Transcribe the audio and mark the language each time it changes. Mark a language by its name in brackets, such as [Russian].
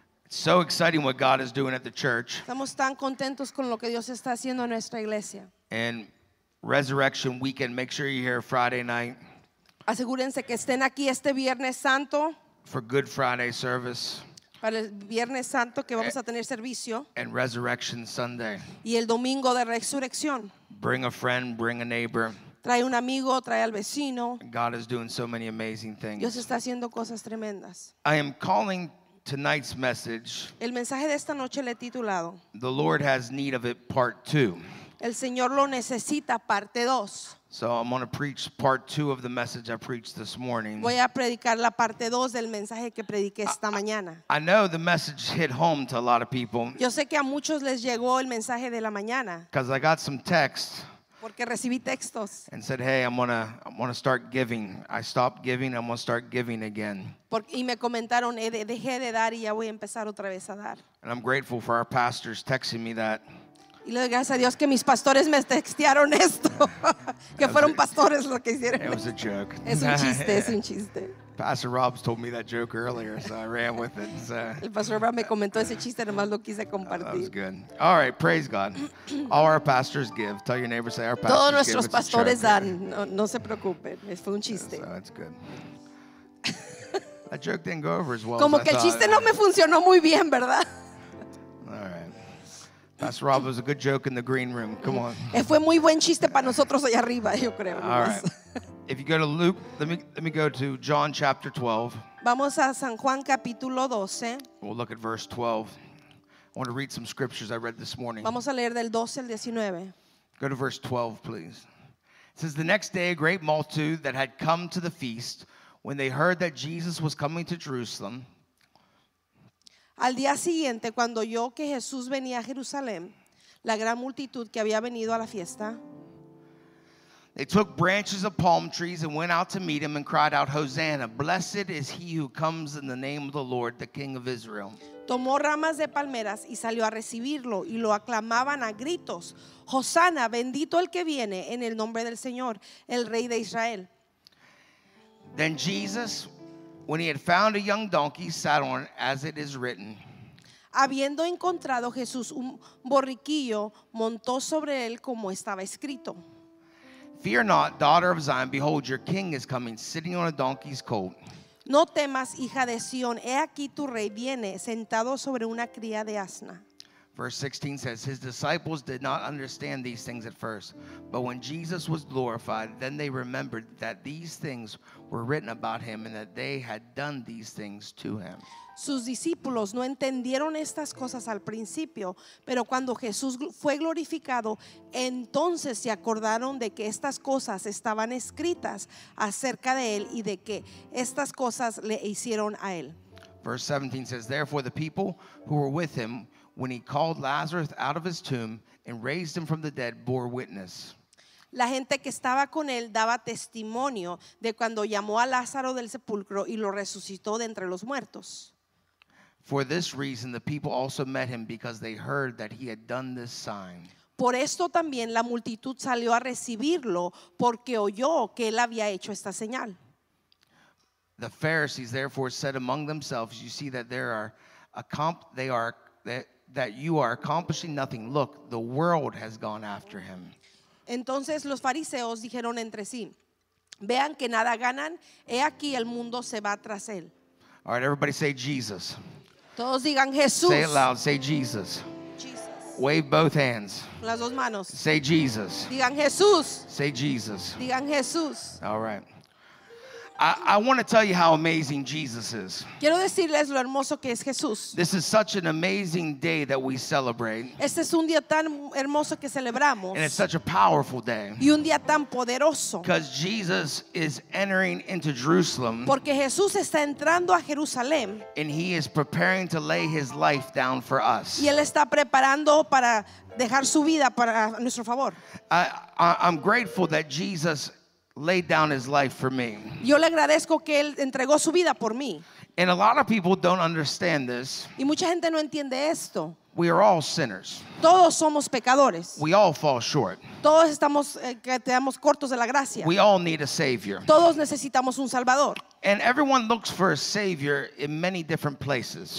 [English] So exciting what God is doing at the church. [Spanish] Estamos tan contentos con lo que Dios está haciendo en nuestra iglesia. [English] And Resurrection Weekend, make sure you're here Friday night. [Spanish] Asegúrense que estén aquí este Viernes Santo. [English] For Good Friday service. [Spanish] Para el Viernes Santo que vamos a tener servicio. [English] And Resurrection Sunday. [Spanish] Y el Domingo de Resurrección. [English] Bring a friend, bring a neighbor. [Spanish] Trae un amigo, trae al vecino. [English] God is doing so many amazing things. [Spanish] Dios está haciendo cosas tremendas. [English] I am calling tonight's message, [Spanish] el mensaje de esta noche le he titulado, [English] The Lord Has Need of It, Part 2. [Spanish] El Señor lo necesita, parte dos. [English] So I'm going to preach part two of the message I preached this morning. [Spanish] Voy a predicar la parte dos del mensaje que prediqué esta mañana. [English] I know the message hit home to a lot of people. [Spanish] Yo sé que a muchos les llegó el mensaje de la mañana. [English] Because I got some texts. [Spanish] Porque recibí textos. [English] And said, hey, I'm gonna start giving. I stopped giving, I'm gonna start giving again. [Spanish] Y me comentaron, dejé de dar y ya voy a empezar otra vez a dar. [English] And I'm grateful for our pastors texting me that. [Spanish] Y le doy gracias a Dios que mis pastores me textearon esto. Que fueron pastores los que hicieron. [English] It was a joke. [Spanish] Es un chiste, es un chiste. [English] Pastor Rob's told me that joke earlier, so I ran with it. [Spanish] El Pastor Rob me comentó ese chiste, nomás lo quise compartir. [English] That was good. All right, praise God. All our pastors give. Tell your neighbor, say our pastors [Spanish] give. Todos nuestros pastores dan. No se preocupen. Fue un chiste. [English] So that's good. That joke didn't go over as well. [Spanish] Como [English] as [Spanish] que [English] I [Spanish] el [English] thought. [Spanish] Chiste no me funcionó muy bien, ¿verdad? [English] All right. Pastor Rob, it was a good joke in the green room. Come on. [Spanish] Fue muy buen chiste para nosotros allá arriba, yo creo. [English] All right. If you go to Luke, let me go to John chapter 12. [Spanish] Vamos a San Juan capítulo 12. [English] We'll look at verse 12. I want to read some scriptures I read this morning. [Spanish] Vamos a leer del 12 al 19. [English] Go to verse 12, please. It says, the next day, a great multitude that had come to the feast, when they heard that Jesus was coming to Jerusalem. [Spanish] Al día siguiente, cuando oyó que Jesús venía a Jerusalén, la gran multitud que había venido a la fiesta. [English] They took branches of palm trees and went out to meet him and cried out, Hosanna, blessed is he who comes in the name of the Lord, the King of Israel. [Spanish] Tomó ramas de palmeras y salió a recibirlo y lo aclamaban a gritos, Hosanna, bendito el que viene en el nombre del Señor, el Rey de Israel. [English] Then Jesus, when he had found a young donkey, sat on it as it is written. [Spanish] Habiendo encontrado Jesús un borriquillo, montó sobre él como estaba escrito. [English] Fear not, daughter of Zion, behold, your king is coming, sitting on a donkey's colt. [Spanish] No temas, hija de Sion, he aquí tu rey viene, sentado sobre una cría de asna. [English] Verse 16 says, his disciples did not understand these things at first, but when Jesus was glorified, then they remembered that these things were written about him and that they had done these things to him. [Spanish] Sus discípulos no entendieron estas cosas al principio, pero cuando Jesús fue glorificado, entonces se acordaron de que estas cosas estaban escritas acerca de él y de que estas cosas le hicieron a él. [English] Verse 17 says, therefore the people who were with him when he called Lazarus out of his tomb and raised him from the dead bore witness. [Spanish] La gente que estaba con él daba testimonio de cuando llamó a Lázaro del sepulcro y lo resucitó de entre los muertos. [English] For this reason, the people also met him because they heard that he had done this sign. [Spanish] Por esto también la multitud salió a recibirlo porque oyó que él había hecho esta señal. [English] The Pharisees therefore said among themselves, "You see that you are accomplishing nothing. Look, the world has gone after him." [Spanish] Entonces los fariseos dijeron entre sí, "Vean que nada ganan. He aquí el mundo se va tras él." [English] All right, everybody say Jesus. [Spanish] Todos digan Jesús. [English] Say it loud. Say Jesus. Jesus. Wave both hands. [Spanish] Las dos manos. [English] Say Jesus. [Spanish] Digan Jesús. [English] Say Jesus. [Spanish] Digan Jesús. [English] All right. I want to tell you how amazing Jesus is. [Spanish] Quiero decirles lo hermoso que es Jesús. [English] This is such an amazing day that we celebrate. [Spanish] Este es un día tan hermoso que celebramos. [English] And it's such a powerful day. [Spanish] Y un día tan poderoso. [English] Because Jesus is entering into Jerusalem. [Spanish] Porque Jesús está entrando a Jerusalén. [English] And he is preparing to lay his life down for us. [Spanish] Y él está preparando para dejar su vida para nuestro favor. [English] I'm grateful that Jesus laid down his life for me. [Spanish] Yo le agradezco que él entregó su vida por mí. [English] And a lot of people don't understand this. [Spanish] Y mucha gente no entiende esto. [English] We are all sinners. [Spanish] Todos somos pecadores. [English] We all fall short. [Spanish] Todos estamos quedamos cortos de la gracia. [English] We all need a savior. [Spanish] Todos necesitamos un salvador. [English] And everyone looks for a savior in many different places.